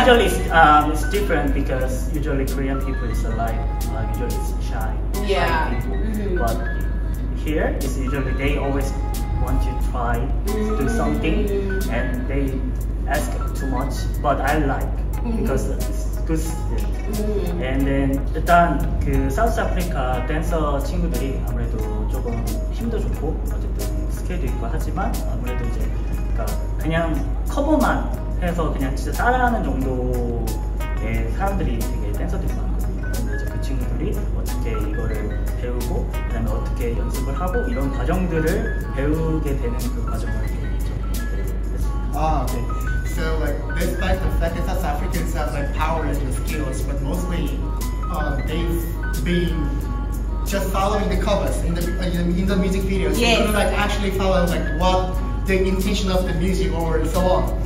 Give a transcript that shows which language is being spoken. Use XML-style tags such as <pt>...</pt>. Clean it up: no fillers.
<en>usually it's different because usually Korean people is like usually it's shy. Yeah. Mm-hmm. But here is usually they always want to try, mm-hmm, do something, and they ask too much, but I like, mm-hmm, because it's good system. Mm-hmm.</en> <ko>And then 일단 그 South Africa 댄서 친구들이 아무래도 조금 힘도 좋고 어쨌든 스케줄 있고 하지만 아무래도 이제 그러니까 그냥 커버만 해서 그냥 진짜 따라하는 정도의 사람들이 되게 댄서들이 많거든요. 이제 그 친구들이 어떻게 이거를 배우고 그다음에 어떻게 연습을 하고 이런 과정들을 배우게 되는 그 과정을 좀 했습니다. 아, 네.</ko> <en>So like despite the fact that South Africans have like powers and skills, but mostly they've been just following the covers in the music videos. Yes. They don't like actually follow like what the intention of the music or so on.</en>